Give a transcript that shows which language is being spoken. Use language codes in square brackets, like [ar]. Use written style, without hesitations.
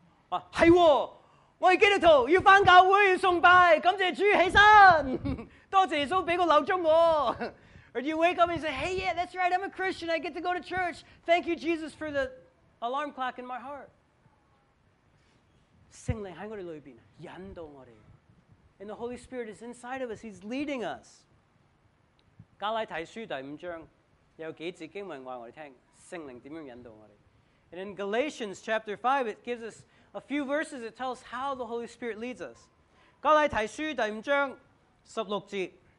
[yue] 啊，系喎，我系基督徒，要翻教会要崇拜，感谢主起身，多谢耶稣俾个闹钟我。 [en] Or do you wake up and say, hey, yeah, that's right, I'm a Christian, I get to go to church. Thank you, Jesus, for the alarm clock in my heart. [yue] 圣灵喺我哋里边引导我哋。 [en] And the Holy Spirit is inside of us, He's leading us. [yue] 加拉太书第五章有几节经文话我哋听圣灵点样引导我哋。 [en] And in Galatians chapter 5, it gives us a few verses that tells how the Holy Spirit leads us. [yue] 加拉太书第五章十六节。